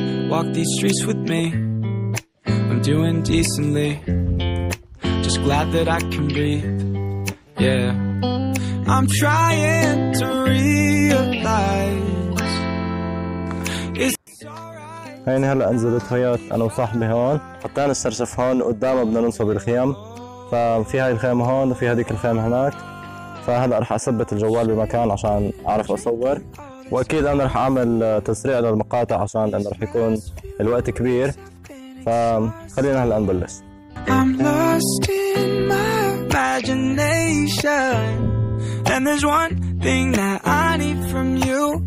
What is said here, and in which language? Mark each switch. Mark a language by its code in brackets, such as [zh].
[en] Walk these streets with me, I'm doing decently, just glad that I can breathe, yeah. I'm trying to realize it's alright. [ar] هيني هلا انزلت هيات انا وصاحبي هون، حطينا الشرشف هون قدامه بدنا ننصب الخيام. ففي هاي الخيمة هون وفي هذيك الخيمة هناك، فهلأ رح أثبت الجوال بمكان عشان أعرف أصور، وأكيد أنا رح أعمل تسريع للمقاطع عشان أنه رح يكون الوقت كبير. فخلينا هلأ نبلش. [en] I'm lost in my imagination and there's one thing that I need from you.